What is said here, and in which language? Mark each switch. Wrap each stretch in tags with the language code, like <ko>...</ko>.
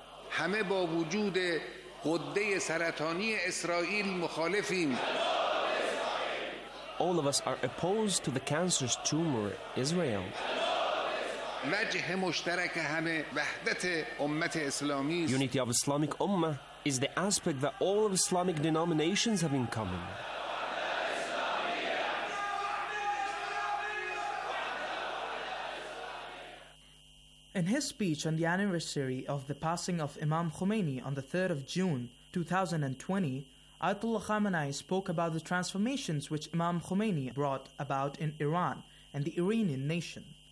<fa>همه با وجود قده سرطانی اسرائیل مخالفیم</fa> <en>All of us are opposed to the cancerous tumor Israel</en> <fa>وجه مشترک همه وحدت امت اسلامی</fa> <en>Unity of Islamic Ummah is the aspect that all of Islamic denominations have in common. In his speech on the anniversary of the passing of Imam Khomeini on the 3rd of June, 2020, Ayatollah Khamenei spoke about the transformations which Imam Khomeini brought about in Iran and the Iranian nation.</en>